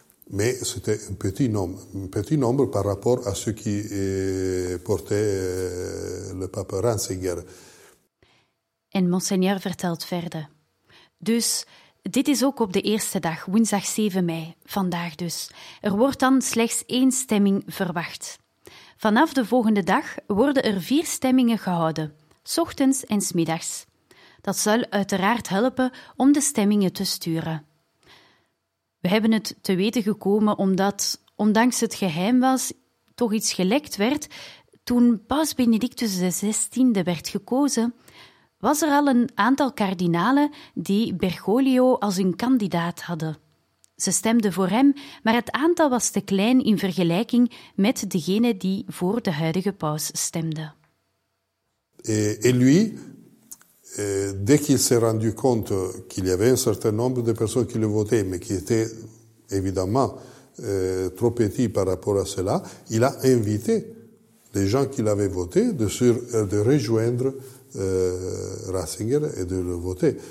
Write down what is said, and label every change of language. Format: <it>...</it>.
<fr>Mais c'était un petit nombre par rapport à ceux qui portaient le pape Ratzinger.</fr> <nl>En Monseigneur vertelt verder. Dus, dit is ook op de eerste dag, woensdag 7 mei, vandaag dus. Er wordt dan slechts 1 stemming verwacht. Vanaf de volgende dag worden er 4 stemmingen gehouden, 's ochtends en 's middags. Dat zal uiteraard helpen om de stemmingen te sturen. We hebben het te weten gekomen omdat, ondanks het geheim was, toch iets gelekt werd. Toen paus Benedictus XVI werd gekozen, was er al een aantal kardinalen die Bergoglio als hun kandidaat hadden. Ze stemden voor hem, maar het aantal was te klein in vergelijking met degene die voor de huidige paus stemde.</nl> <fr>En lui, dès qu'il s'est rendu compte qu'il y avait un certain nombre de personnes qui le votaient, mais qui étaient évidemment trop petits par rapport à cela, il a invité les gens qui l'avaient voté de rejoindre Ratzinger et de le voter.</fr>